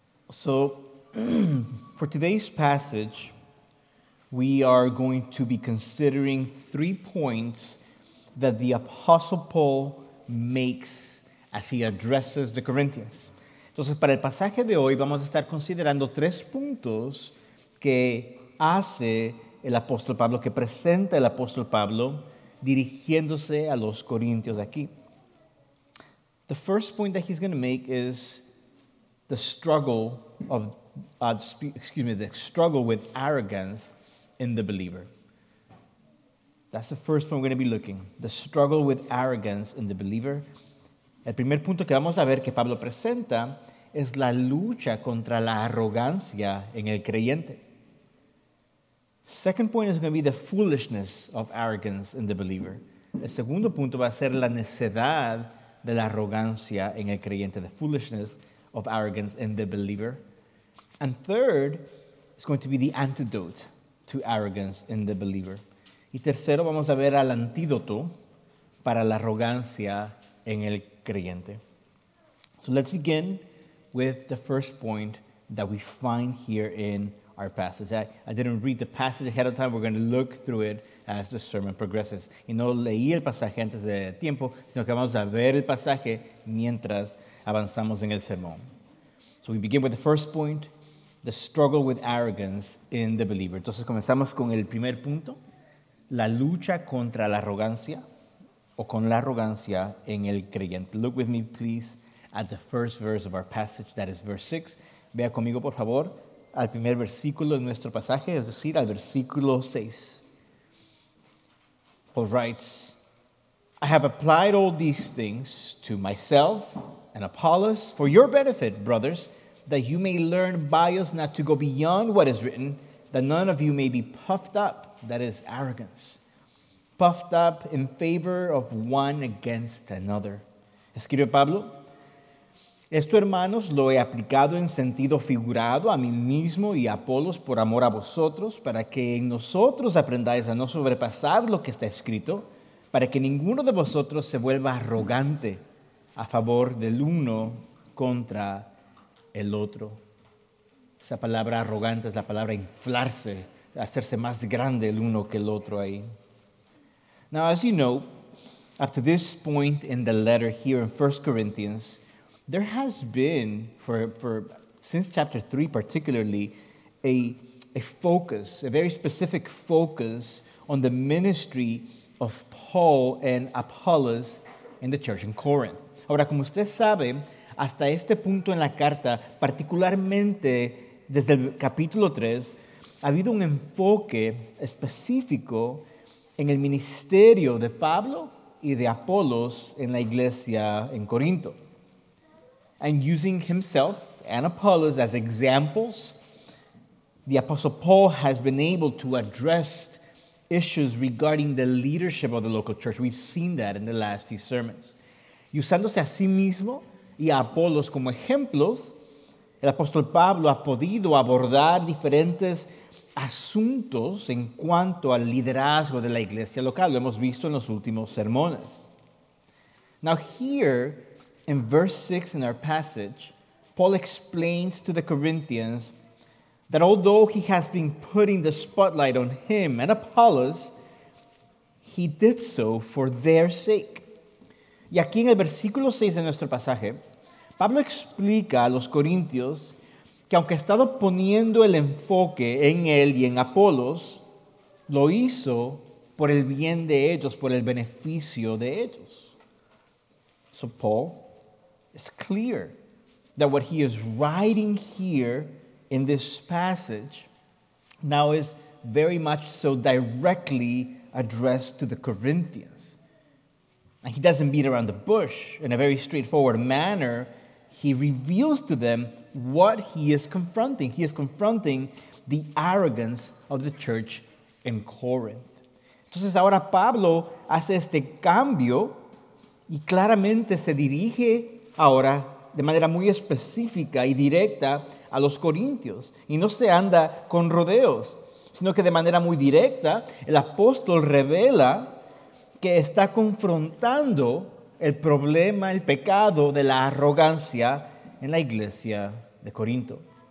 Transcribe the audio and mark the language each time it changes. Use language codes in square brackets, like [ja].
[en] So, for today's passage, we are going to be considering 3 points that the Apostle Paul makes as he addresses the Corinthians. [es] Entonces, para el pasaje de hoy, vamos a estar considerando 3 puntos que hace el apóstol Pablo, que presenta el apóstol Pablo dirigiéndose a los corintios aquí. [en] The first point that he's going to make is the struggle of, the struggle with arrogance in the believer. That's the first point we're going to be looking, the struggle with arrogance in the believer. [es] El primer punto que vamos a ver que Pablo presenta es la lucha contra la arrogancia en el creyente. [en] Second point is going to be the foolishness of arrogance in the believer. [es] El segundo punto va a ser la necedad de la arrogancia en el creyente, [en] the foolishness of arrogance in the believer. And third is going to be the antidote to arrogance in the believer. [es] Y tercero, vamos a ver al antídoto para la arrogancia en el creyente. [en] So let's begin with the first point that we find here in our passage. I didn't read the passage ahead of time. We're going to look through it as the sermon progresses. [es] Y no leí el pasaje antes de tiempo, sino que vamos a ver el pasaje mientras avanzamos en el sermón. [en] So we begin with the first point, the struggle with arrogance in the believer. [es] Entonces comenzamos con el primer punto, la lucha contra la arrogancia o con la arrogancia en el creyente. [en] Look with me, please, at the first verse of our passage, that is verse 6. [es] Vea conmigo, por favor, al primer versículo de nuestro pasaje, es decir, al versículo 6. [en] Paul writes, I have applied all these things to myself and Apollos for your benefit, brothers, that you may learn by us not to go beyond what is written, that none of you may be puffed up, that is arrogance, puffed up in favor of one against another. [es] Escribe Pablo, esto, hermanos, lo he aplicado en sentido figurado a mí mismo y a Apolos por amor a vosotros, para que en nosotros aprendáis a no sobrepasar lo que está escrito, para que ninguno de vosotros se vuelva arrogante a favor del uno contra el otro. Esa palabra arrogante es la palabra inflarse, hacerse más grande el uno que el otro ahí. [en] Now, as you know, up to this point in the letter here in 1 Corinthians, there has been, since chapter 3 particularly, a focus, a very specific focus on the ministry of Paul and Apollos in the church in Corinth. [es] Ahora, como usted sabe, hasta este punto en la carta, particularmente desde el capítulo 3, ha habido un enfoque específico en el ministerio de Pablo y de Apollos en la iglesia en Corinto. [en] And using himself and Apollos as examples, the Apostle Paul has been able to address issues regarding the leadership of the local church. We've seen that in the last few sermons. [es] Y usándose a sí mismo y a Apollos como ejemplos, el apóstol Pablo ha podido abordar diferentes asuntos en cuanto al liderazgo de la iglesia local. Lo hemos visto en los últimos sermones. [en] Now here, in verse 6 in our passage, Paul explains to the Corinthians that although he has been putting the spotlight on him and Apollos, he did so for their sake. [es] Y aquí en el versículo 6 de nuestro pasaje, Pablo explica a los corintios que aunque ha estado poniendo el enfoque en él y en Apollos, lo hizo por el bien de ellos, por el beneficio de ellos. [en] So Paul is clear that what he is writing here in this passage now is very much so directly addressed to the Corinthians. And he doesn't beat around the bush. In a very straightforward manner, he reveals to them what he is confronting. He is confronting the arrogance of the church in Corinth. [es] Entonces ahora Pablo hace este cambio y claramente se dirige ahora de manera muy específica y directa a los corintios. Y no se anda con rodeos, sino que de manera muy directa el apóstol revela que está confrontando el problema, el pecado de la arrogancia en la iglesia de Corinto.